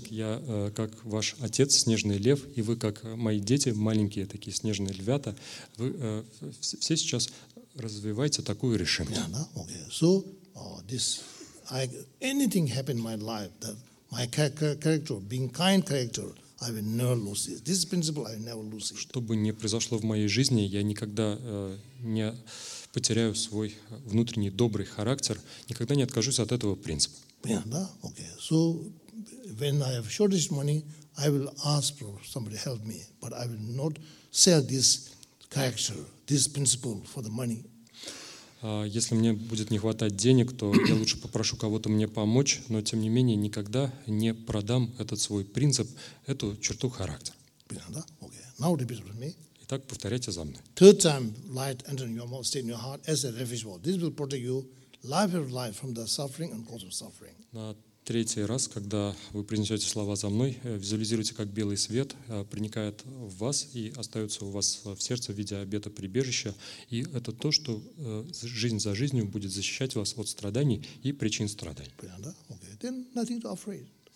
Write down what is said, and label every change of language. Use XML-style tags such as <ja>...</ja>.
<ru>Так я как ваш отец, снежный лев, и вы как мои дети, маленькие такие снежные львята, вы все сейчас развиваете такую решимость.</ru> <en>Yeah,</en> <ru>да?</ru> <en>Okay. So this, I anything happen in my life that my character, being kind character, I will never lose it. This principle I will never lose it.</en> <ru>Что бы ни произошло в моей жизни, я никогда не потеряю свой внутренний добрый характер, никогда не откажусь от этого принципа. Понятно, да?</ru> <en>Okay. So, when I have shortage money, I will ask for somebody to help me, but I will not sell this character, this principle for the money.</en> <ru>Если мне будет не хватать денег, то я лучше попрошу кого-то мне помочь, но, тем не менее, никогда не продам этот свой принцип, эту черту характера. Понятно, да?</ru> <en>Okay. Now repeat with me.</en> <ru>Так повторяйте за мной.</ru> <en>Third time light entering your mouth, stay in your heart as a refuge wall. This will protect you life after life from the suffering and cause of suffering.</en> <ru>На третий раз, когда вы произнесете слова за мной, визуализируйте, как белый свет проникает в вас и остается у вас в сердце в виде обета прибежища. И это то, что жизнь за жизнью будет защищать вас от страданий и причин страданий. Понятно, да?</ru> <en>Okay. Then nothing to afraid.</en>